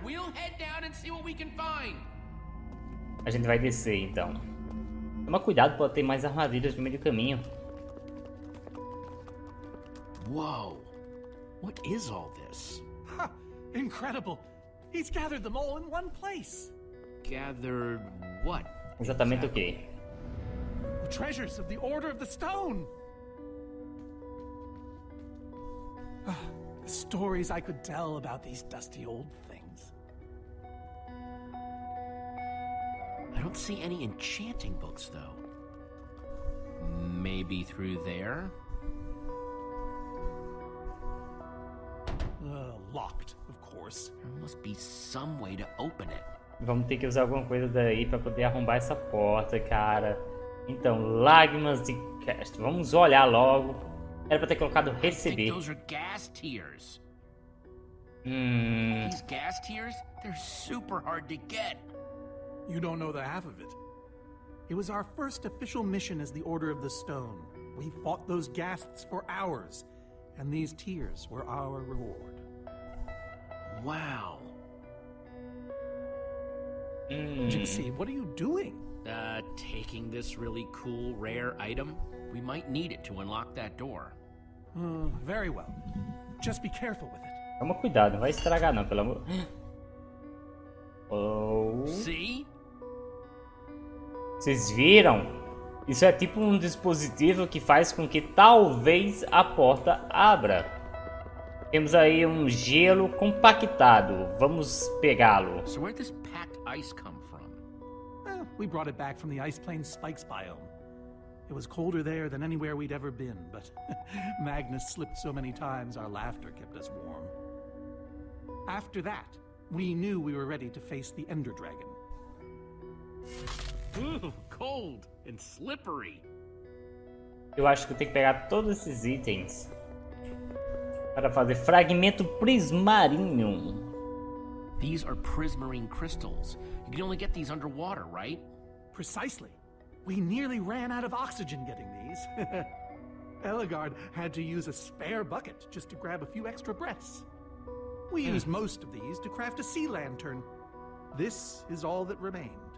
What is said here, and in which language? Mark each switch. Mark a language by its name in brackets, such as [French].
[English] We'll head down and see what we can find. [Portuguese] A gente vai descer então. Toma cuidado, pode ter mais armadilhas no meio do caminho. [English] Whoa. What is all this? Ha! Incredible! He's gathered them all in one place! Gathered what? [Portuguese] Exatamente o quê? [English] The treasures of the Order of the Stone! The stories I could tell about these dusty old things. I don't see any enchanting books, though. Maybe through there? Locked, of course. There must be some way to open it. [Portuguese] Vamos ter que usar alguma coisa daí para poder arrombar essa porta, cara. Então, lágrimas de cast. Vamos olhar logo. Era para ter colocado receber. [English] Those are gas tears. These gas tears, they're super hard to get. You don't know the half of it. It was our first official mission as the Order of the Stone. We fought those ghasts for hours, and these tears were our reward. Wow. Gypsy, what are you doing? Taking this really cool, rare item. We might need it to unlock that door. Very well. Just be careful with it. [Portuguese] Toma cuidado, não vai estragar não, pelo amor... Oh... [English] See? [Portuguese] Vocês viram? Isso é tipo um dispositivo que faz com que talvez a porta abra. Temos aí um gelo compactado. Vamos pegá-lo. [English] So where did this packed ice come from? We brought it back from the ice plane spikes biome. It was colder there than anywhere we'd ever been, but Magnus slipped so many times our laughter kept us warm. After that, we knew we were ready to face the Ender Dragon. Cold and slippery. [Portuguese] Eu acho que eu tenho que pegar todos esses itens para fazer fragmento prismarinho. [English] These are prismarine crystals. You can only get these underwater, right? Precisely. We nearly ran out of oxygen getting these. Elagard had to use a spare bucket just to grab a few extra breaths. We use most of these to craft a sea lantern. This is all that remains.